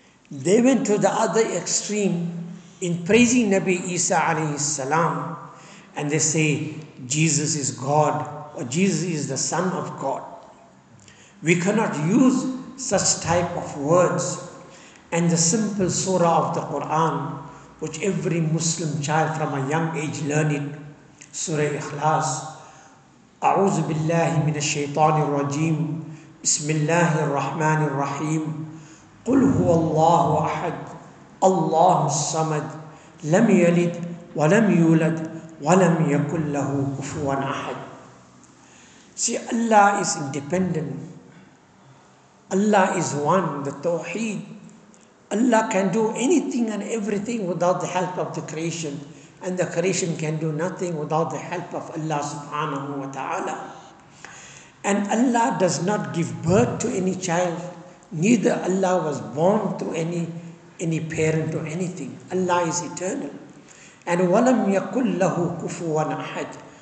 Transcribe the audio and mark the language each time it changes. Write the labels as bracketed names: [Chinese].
[English] They went to the other extreme in praising Nabi Isa alayhi salam, and they say Jesus is God, or Jesus is the Son of God. We cannot use such type of words. And the simple surah of the Quran, which every Muslim child from a young age learn it, Surah Ikhlas. [Arabic] أعوذ بالله من الشيطان الرجيم بسم الله الرحمن الرحيم قل هو الله أحد الله الصمد لم يلد ولم يولد ولم يكن له كفوا أحد. [English] See, Allah is independent. Allah is one, the Tawheed. Allah can do anything and everything without the help of the creation. And the creation can do nothing without the help of Allah subhanahu wa ta'ala. And Allah does not give birth to any child. Neither Allah was born to any parent or anything. Allah is eternal. [Arabic] And وَلَمْ يَكُلْ لَهُ كُفُوًا أَحَدٍ.